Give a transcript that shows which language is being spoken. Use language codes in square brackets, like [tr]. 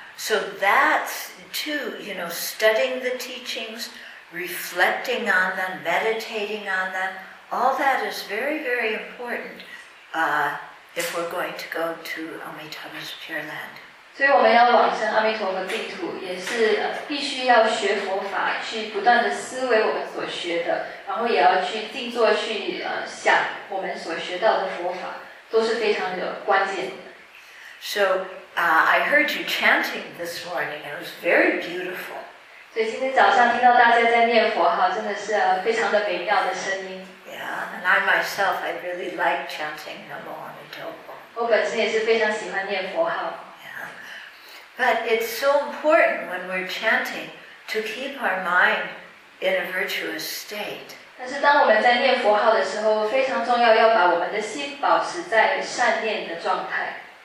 [en] So that's too, you know, studying the teachings, reflecting on them, meditating on them, all that is very, very important if we're going to go to Amitabha's Pure Land. [zh] 所以我们要往生阿弥陀佛净土，也是必须要学佛法，去不断的思维我们所学的，然后也要去静坐去想我们所学到的佛法。 [en] So, I heard you chanting this morning. It was very beautiful. [zh] 所以今天早上听到大家在念佛，真的是非常的美妙的声音。 [en] Yeah, and I myself, I really like chanting Namo Amitabha. [zh] 我本身也是非常喜欢念佛号。 [en] Yeah. But it's so important when we're chanting to keep our mind in a virtuous state. [zh] 但是当我们在念佛号的时候，非常重要，要把我们的心保持在善念的状态。